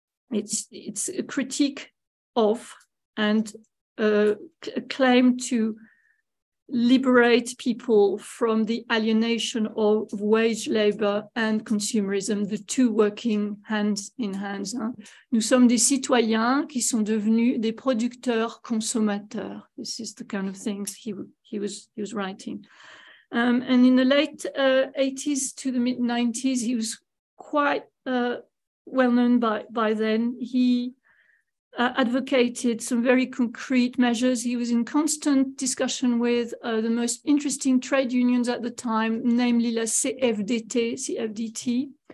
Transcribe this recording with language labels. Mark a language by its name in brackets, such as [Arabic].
[English] It's a critique of and a claim to liberate people from the alienation of wage labor and consumerism, the two working hand in hand. [French] Nous sommes des citoyens qui sont devenus des producteurs consommateurs. [English] This is the kind of things he was writing. And in the late 80s to the mid 90s, he was quite well known by then. He advocated some very concrete measures. He was in constant discussion with the most interesting trade unions at the time, namely la CFDT.